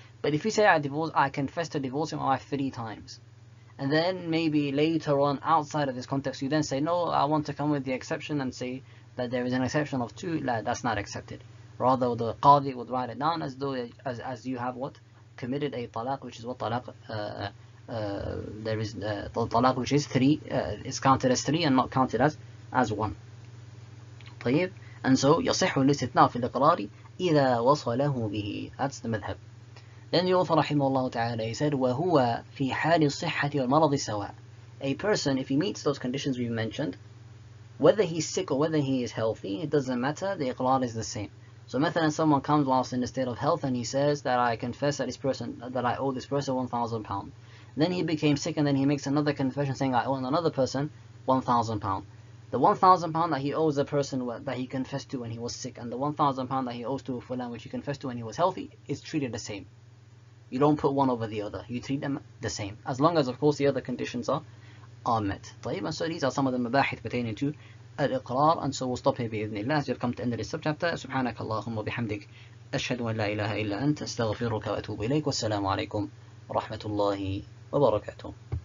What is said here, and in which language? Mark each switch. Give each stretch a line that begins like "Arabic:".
English: But if you say I confess to divorce my wife 3 times, and then maybe later on outside of this context you then say, no, I want to come with the exception and say that there is an exception of 2, la, that's not accepted. Rather, the qadi would write it down as though as you have what? Committed a talaq, which is what talaq, there is the talaq which is 3, is counted as 3 and not counted as 1.
Arabic: طيب.
English: And so,
Arabic: يصحه الاستثناء في الإقرار إذا وصله به.
English: That's the madhab. Then the author
Arabic: رحمه الله تعالى,
English: he said,
Arabic: وهو في حال الصحة والمرض سواء.
English: A person, if he meets those conditions we've mentioned, whether he's sick or whether he is healthy, it doesn't matter, the إقرار is the same. So, مثلا, someone comes whilst in a state of health and he says that I confess that this person, that I owe this person £1,000. Then he became sick and then he makes another confession saying I owe another person £1,000. The £1,000 that he owes the person that he confessed to when he was sick and the £1,000 that he owes to fulan which he confessed to when he was healthy is treated the same. You don't put one over the other. You treat them the same. As long as, of course, the other conditions are met. طيب, and so these are some of the mabahith pertaining to الإقرار. And so we'll stop here
Arabic: بإذن الله.
English: As we have come to the end of this subchapter,
Arabic: سبحانك اللهم وبحمدك أشهد أن لا إله إلا أنت أستغفرك وأتوب إليك والسلام عليكم ورحمة الله وبركاته.